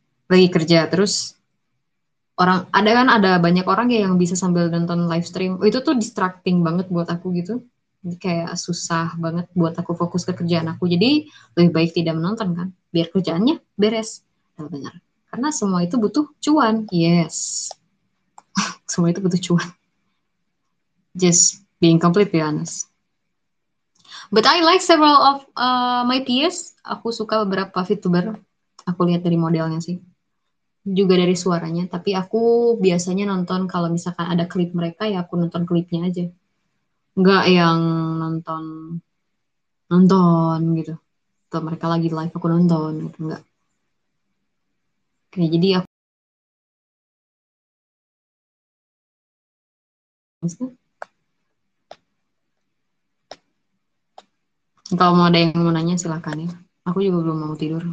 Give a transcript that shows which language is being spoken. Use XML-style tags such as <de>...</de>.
<id>Lagi kerja terus orang ada kan ada banyak orang ya yang bisa sambil nonton live stream. Oh, itu tuh distracting banget buat aku gitu. Jadi kayak susah banget buat aku fokus ke kerjaan aku. Jadi lebih baik tidak menonton kan, biar kerjaannya beres. Benar. Karena semua itu butuh cuan. Yes. Semua itu butuh cuan.</id> <en>Just being completely honest. But I like several of my peers.</en> <id>Aku suka beberapa VTuber. Aku lihat dari modelnya sih. Juga dari suaranya. Tapi aku biasanya nonton kalau misalkan ada klip mereka, ya aku nonton klipnya aja. Nggak yang nonton nonton gitu. Atau mereka lagi live aku nonton gitu. Nggak. Oke, jadi aku kalau mau ada yang mau nanya silakan ya. Aku juga belum mau tidur.</id>